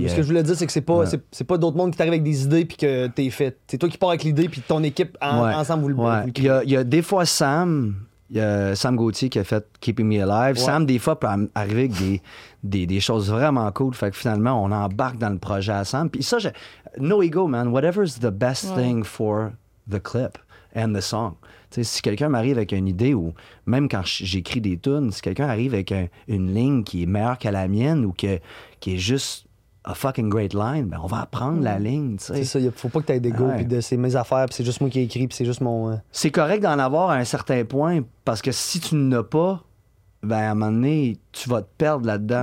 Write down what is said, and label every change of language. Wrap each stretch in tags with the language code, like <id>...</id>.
<fr>Mais ce que je voulais dire, c'est que c'est pas d'autres mondes qui t'arrivent avec des idées puis que t'es fait. C'est toi qui pars avec l'idée puis ton équipe, ensemble, vous le créez. Il y a des fois Sam... Sam Gauthier qui a fait Keeping Me Alive. Ouais. Sam, des fois, peut arriver avec des choses vraiment cool. Fait que finalement, on embarque dans le projet à Sam.</fr> <en>Puis ça, no ego, man. Whatever is the best thing for the clip and the song.</en> <fr>T'sais, si quelqu'un m'arrive avec une idée ou même quand j'écris des tunes, si quelqu'un arrive avec une ligne qui est meilleure qu'à la mienne ou qui est juste</fr> <en>a fucking great line,</en> <fr>ben on va apprendre la ligne. T'sais. C'est ça, faut pas que t'aies d'ego, puis de c'est mes affaires, puis c'est juste moi qui ai écrit, puis c'est juste mon. C'est correct d'en avoir à un certain point, parce que si tu n'en as pas, ben à un moment donné, tu vas te perdre là-dedans.</fr>